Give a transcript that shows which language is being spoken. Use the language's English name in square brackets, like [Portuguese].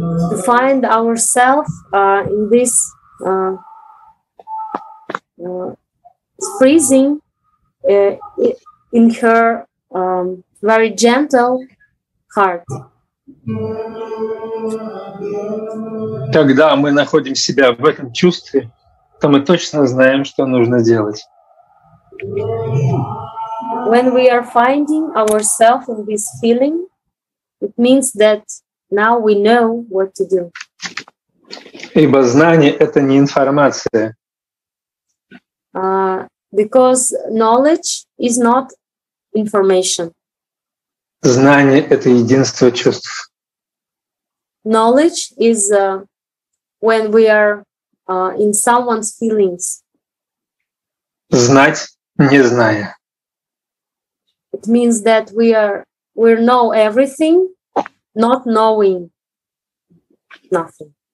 [English] To find ourselves in this freezing in her very gentle heart. [Russian] Когда мы находим себя в этом чувстве, то мы точно знаем, что нужно делать. [English] When we are finding ourselves in this feeling, it means that now we know what to do. [Russian] Ибо знание — это не информация. [English] Because knowledge is not information. [Russian] Знание — это единство чувств. [English] Knowledge is when we are in someone's feelings. [Russian] Знать, не зная. [English] It means that we know everything, not knowing nothing.